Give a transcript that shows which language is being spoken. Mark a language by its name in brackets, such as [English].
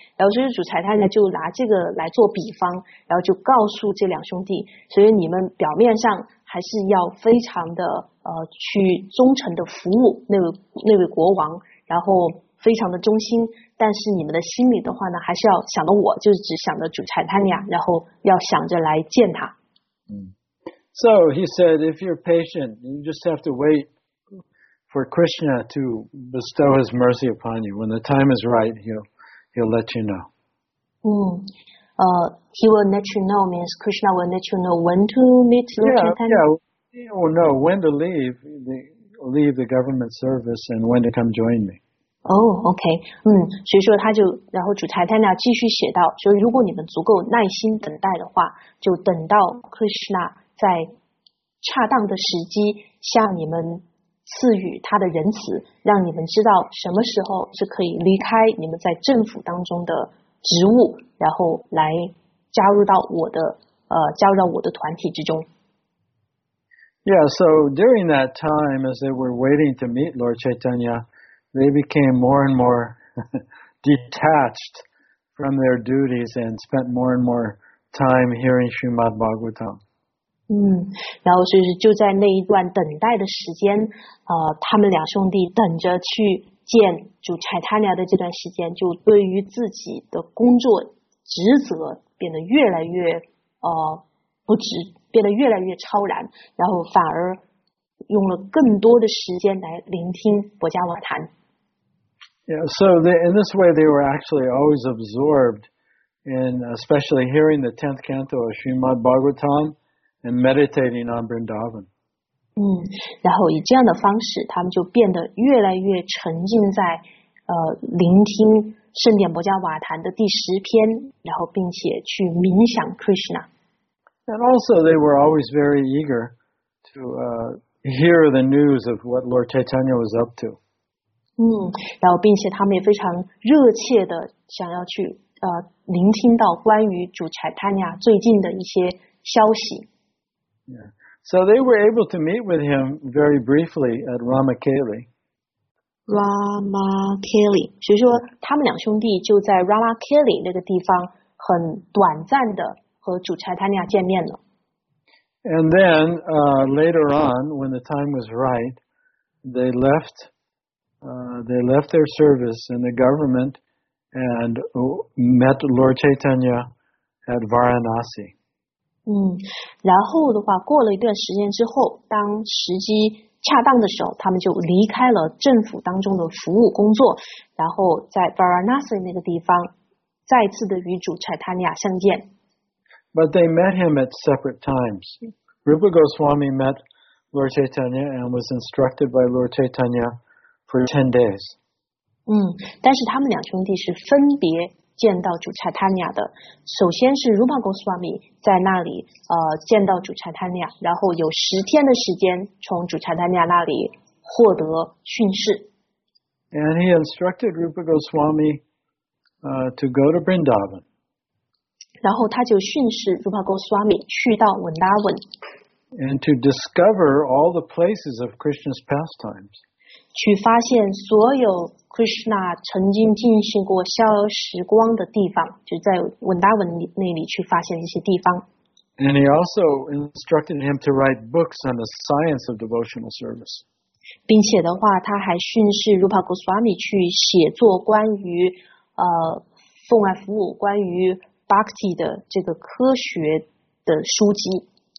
[Chinese] 然后，所以主裁判呢就拿这个来做比方，然后就告诉这两兄弟，所以你们表面上还是要非常的去忠诚的服务那位国王，然后非常的忠心，但是你们的心里的话呢，还是要想着我，就是只想着主差坦尼亚，然后要想着来见他。嗯。 [English] So he said, if you're patient, you just have to wait for Krishna to bestow his mercy upon you. When the time is right, he'll let you know. 嗯，he will let you know means Krishna will let you know when to meet Lord Chaitanya. Yeah, he will know when to leave the government service and when to come join me. Oh, okay. [Chinese] 嗯，所以说他就，然后主差坦尼亚继续写道，说如果你们足够耐心等待的话，就等到 Krishna在恰当的时机向你们赐予他的仁慈，让你们知道什么时候是可以离开你们在政府当中的职务，然后来加入到我的加入到我的团体之中。 [English] Yeah, so during that time, as they were waiting to meet Lord Chaitanya, they became more and more detached from their duties and spent more and more time hearing Srimad Bhagavatam. [Chinese] 嗯，然后就是就在那一段等待的时间，他们两兄弟等着去见主差坦尼亚的这段时间，就对于自己的工作职责变得越来越不值，变得越来越超然，然后反而用了更多的时间来聆听博迦瓦坛。 [English] Yeah, so in this way, they were actually always absorbed in, especially hearing the 10th canto of Srimad Bhagavatam. And meditating on Vrindavan. [Chinese] 然后以这样的方式，他们就变得越来越沉浸在聆听圣典博迦瓦坛的第十篇，然后并且去冥想 Krishna. [English] And also, they were always very eager to hear the news of what Lord Chaitanya was up to. [Chinese] 然后并且他们也非常热切的想要去聆听到关于主 Chaitanya 最近的一些消息。 [English] Yeah. So they were able to meet with him very briefly at Ramakali. [Chinese] Ramakali. 所以说他们两兄弟就在 Ramakali 那个地方很短暂的和主差坦尼亚见面了。 [English] And then, later on, when the time was right, they left their service in the government and met Lord Chaitanya at Varanasi. [Chinese] 然后的话过了一段时间之后，当时机恰当的时候，他们就离开了政府当中的服务工作，然后在 Varanasi 那个地方再次的与主差坦尼亚相见。 [English] But they met him at separate times. Rupa Goswami met Lord Chaitanya and was instructed by Lord Chaitanya for 10 days. [Chinese] 但是他们两兄弟是分别见到主差坦尼亚的，首先是 Rupa Goswami 在那里见到主差坦尼亚，然后有十天的时间从主差坦尼亚那里获得训示。 [English] And he instructed Rupa Goswami to go to Vrindavan. [Chinese] 然后他就训示 Rupa Goswami 去到 Vrindavan. [English] And to discover all the places of Krishna's pastimes. [Chinese] 去发现所有Krishna 曾经进行过逍遥时光的地方，就在文达文那里去发现一些地方。 [English] And he also instructed him to write books on the science of devotional service. [Chinese] 并且的话，他还训示 Rupa Goswami 去写作关于奉爱服务、关于 Bhakti 的这个科学的书籍。